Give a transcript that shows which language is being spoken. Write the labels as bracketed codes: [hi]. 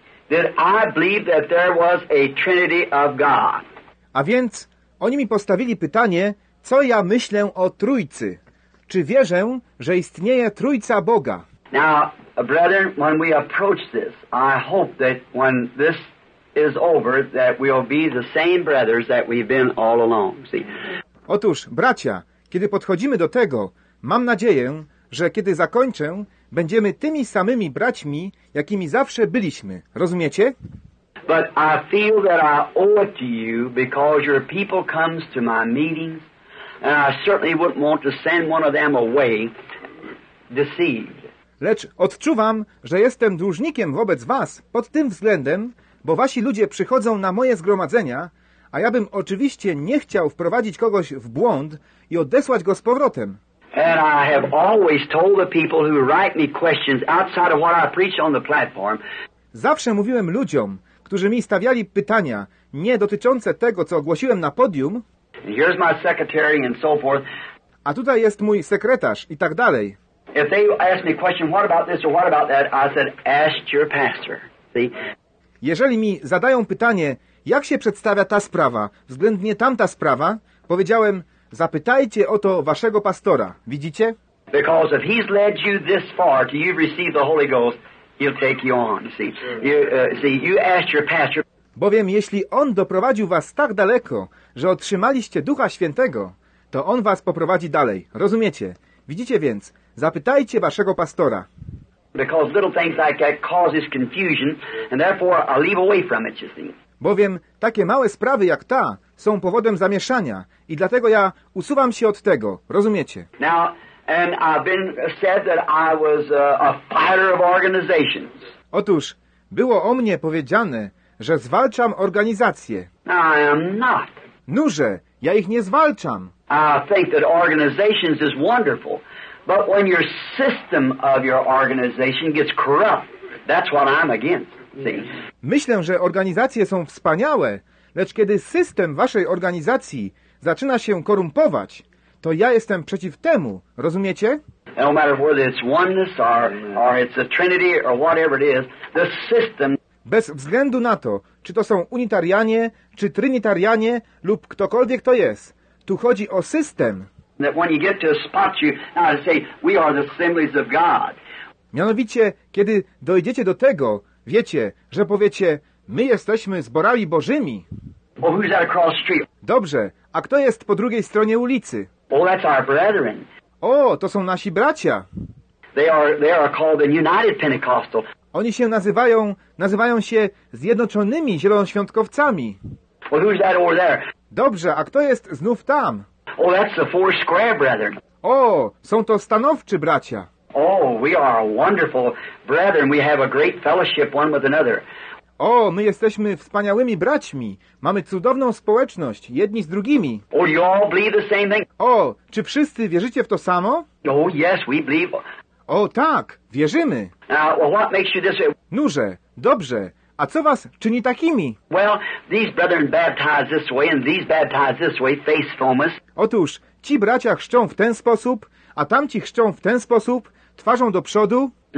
[en] Did I believe that there was a Trinity of God? [pl] A więc oni mi postawili pytanie, co ja myślę o Trójcy. Czy wierzę, że istnieje Trójca Boga? [en] Now, brethren, when we approach this, I hope that when this is over, that we'll be the same brothers that we've been all along. See? [pl] Otóż, bracia, kiedy podchodzimy do tego, mam nadzieję, że kiedy zakończę, będziemy tymi samymi braćmi, jakimi zawsze byliśmy. Rozumiecie? [en] But I feel that I owe it to you because your people comes to my meetings and I certainly wouldn't want to send one of them away deceived. [pl] Lecz odczuwam, że jestem dłużnikiem wobec was pod tym względem, bo wasi ludzie przychodzą na moje zgromadzenia, a ja bym oczywiście nie chciał wprowadzić kogoś w błąd i odesłać go z powrotem. [en] And I have always told the people who write me questions outside of what I preach on the platform. [pl] Zawsze mówiłem ludziom, którzy mi stawiali pytania, nie dotyczące tego, co ogłosiłem na podium, [en] here's my secretary and so forth. [pl] A tutaj jest mój sekretarz i tak dalej. [en] If they asked me a question, what about this or what about that, I said, ask your pastor. See? [pl] Jeżeli mi zadają pytanie, jak się przedstawia ta sprawa, względnie tamta sprawa, powiedziałem, zapytajcie o to waszego pastora. Widzicie? [en] Because if he's led you this far till you've received the Holy Ghost, he'll take you on. You asked your pastor. [pl] Bowiem jeśli on doprowadził was tak daleko, że otrzymaliście Ducha Świętego, to on was poprowadzi dalej. Rozumiecie? Widzicie więc, zapytajcie waszego pastora. [en] Because little things like that causes confusion, and therefore I leave away from it, you see. [pl] Bowiem takie małe sprawy jak ta są powodem zamieszania i dlatego ja usuwam się od tego, rozumiecie? [en] Now, and I've been said that I was a fighter of organizations. [pl] Otóż było o mnie powiedziane, że zwalczam organizacje. [en] I am not. [pl] Noże, ja ich nie zwalczam. [en] I think that organizations is wonderful, but when your system of your organization gets corrupt, that's what I'm against. [pl] Myślę, że organizacje są wspaniałe, lecz kiedy system waszej organizacji zaczyna się korumpować, to ja jestem przeciw temu, rozumiecie? [en] No matter whether it's oneness or it's a trinity or whatever it is, the system. [pl] Bez względu na to, czy to są unitarianie, czy trynitarianie, lub ktokolwiek to jest, tu chodzi o system. [en] That when you get to a spot, you now say we are the assemblies of God. [pl] Mianowicie, kiedy dojdziecie do tego, wiecie, że powiecie, my jesteśmy zborami Bożymi. [en] Well, who's that across the street? [pl] Dobrze, a kto jest po drugiej stronie ulicy? [en] Well, that's our brethren. [pl] O, to są nasi bracia. [en] They are called the United Pentecostal. [pl] Oni się nazywają się Zjednoczonymi Zielonoświątkowcami. [en] Well, who's that over there? [pl] Dobrze, a kto jest znów tam? [en] Oh, that's the Four Square Brethren. [pl] O, są to Stanowczy bracia. [en] Oh, we are a wonderful brethren. We have a great fellowship one with another. [pl] O, my jesteśmy wspaniałymi braćmi. Mamy cudowną społeczność, jedni z drugimi. [en] Oh, you all believe the same thing? [pl] O, czy wszyscy wierzycie w to samo? [en] Oh, yes, we believe. [pl] O, tak, wierzymy. [en] Well, what makes you this? [pl] Noże, dobrze. A co was czyni takimi? [en] Well, these brethren baptize this way and these baptize this way, faithfulness. [pl] Otóż, ci bracia chrzczą w ten sposób, a tamci chrzczą w ten sposób, twarzą do przodu.